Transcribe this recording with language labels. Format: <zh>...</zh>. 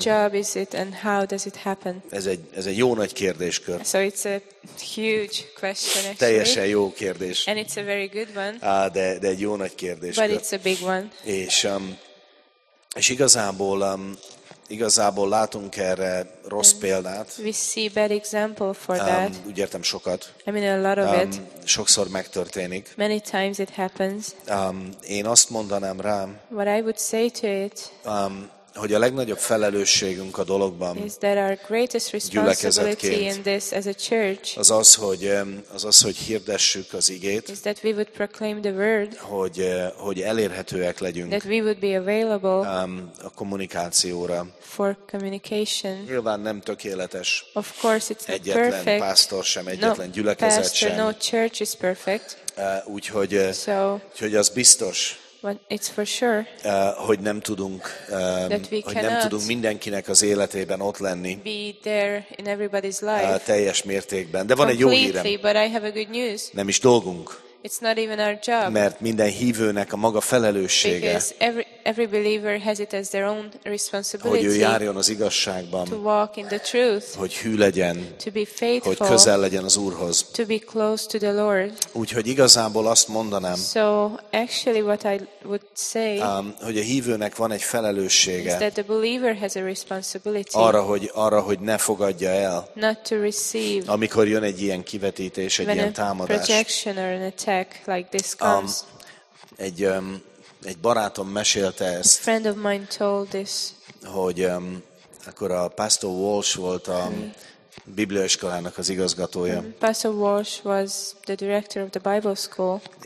<en>Job is it and how does it happen?</en> <hu>Ez egy jó nagy kérdéskör.</hu> <en>So it's a huge question, actually.</en> <hu>Teljesen jó kérdés.</hu> <en>And it's a very good one.</en> <hu>Ah, de egy jó nagy kérdéskör.</hu> <en>But it's a big one.</en> <hu>És igazából igazából látunk erre rossz példát.</hu> <en>We see bad example for that.</en> <hu>Úgy értem sokat.</hu> <en>I mean a lot of it.</en> <hu>Sokszor megtörténik.</hu> <en>Many times it happens.</en> <hu>Én azt mondanám rá,</hu> <en>what I would say to it,</en> <hu>hogy a legnagyobb felelősségünk a dologban,</hu> <en>is that our greatest responsibility in this as a church,</en> <hu>az az, hogy hirdessük az igét,</hu> <en>is that we would proclaim the word,</en> <hu>hogy elérhetőek legyünk,</hu> <en>that we would be available,</en> <hu>a kommunikációra,</hu> <en>for communication.</en> <hu>Nyilván nem tökéletes.</hu> <en>Of course it's not</en> <hu>egyetlen</hu> <en>perfect.</en> <hu>Egyetlen pásztor sem, egyetlen gyülekezet sem.</hu> <en>No church is perfect.</en> <hu>Úgyhogy az biztos.</hu> <en>But it's for sure,</en> <hu>hogy nem tudunk, hogy nem tudunk mindenkinek az életében ott lenni,</hu> <en>be there in everybody's life,</en> <hu>teljes mértékben. De van egy jó hírem.</hu> <en>But I have a good news.</en> <hu>Nem is dolgunk.</hu> <en>It's not even our job.</en> <hu>Mert minden hívőnek a maga felelőssége.</hu> <en>Because every believer has it as their own responsibility.</en> <hu>Hogy ő járjon az igazságban.</hu> <en>To walk in the truth.</en> <hu>Hogy hű legyen.</hu> <en>To be faithful.</en> <hu>Hogy közel legyen az Úrhoz.</hu> <en>To be close to the Lord.</en> <hu>Úgyhogy igazából azt mondanám.</hu> <en>So actually what I would say.</en> <hu>Hogy a hívőnek van egy felelőssége.</hu> <en>Is that the believer has a responsibility.</en> <hu>Arra, hogy ne fogadja el.</hu> <en>Not to receive.</en> <hu>Amikor jön egy ilyen kivetítés, egy ilyen támadás.</hu> <en>Projection or an attack like this comes.</en> <hu>Egy barátom mesélte ezt.</hu> <en>A friend of mine told this.</en> <hu>Hogy akkor a Pastor Walsh volt a Bibliaiskolának az igazgatója.</hu> <en>Pastor Walsh was the director of the Bible school.</en>